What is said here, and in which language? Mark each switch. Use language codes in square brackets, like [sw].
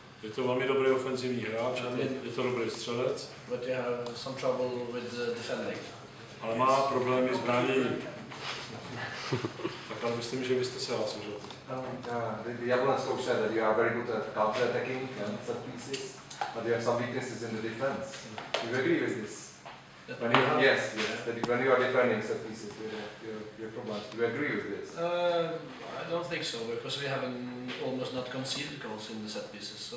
[cs] Je to velmi dobrý ofenzivní hráč, je to dobrý střelec. [en] But you have some trouble with defending. [cs] Ale má problémy s bráněním. Tak ale myslím, že byste se hlasil, že? Jablonec zkoušel, [en] that you are very good at counter-attacking and set pieces, but you have some weaknesses in the defense. Do you agree with this? When you, yes, yes. That when you are defending set pieces, your problems. Do you agree with this? I don't think so, because we have almost not conceded goals in the set pieces.